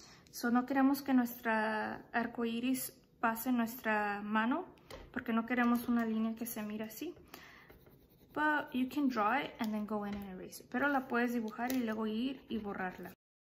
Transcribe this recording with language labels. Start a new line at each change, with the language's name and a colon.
Spanish: So no queremos que nuestra arco iris pase nuestra mano porque no queremos una línea que se mire así.
English: But you can draw it and then go in and erase it.
Spanish: Pero la puedes dibujar y luego ir y borrarla.